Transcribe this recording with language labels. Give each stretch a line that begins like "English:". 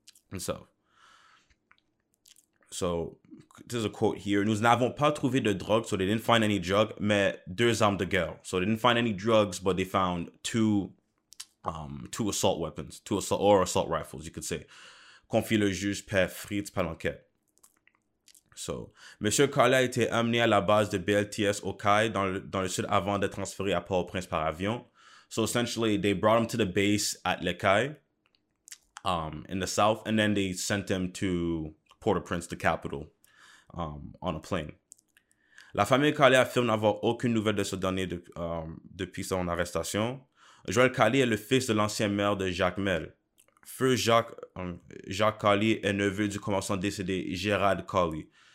English: And so this is a quote here.
French: Nous n'avons pas trouvé de drogue,
English: so they didn't find any drug,
French: mais deux armes de guerre.
English: So they didn't find any drugs, but they found two assault rifles, you could say.
French: Confie le juge Père Fritz Palanquet. So, Monsieur Khawly a été amené à la base de BLTS au CAI dans le sud avant d'être transféré à Port-au-Prince par avion.
English: So, essentially, they brought him to the base at Le CAI in the south, and then they sent him to Port-au-Prince, the capital, on a plane.
French: La famille Khawly affirme n'avoir aucune nouvelle de ce dernier depuis son arrestation. Joël Khawly est le fils de l'ancien maire de Jacmel. Feu Jacques Khawly est neveu du commerçant décédé Gérard Khawly.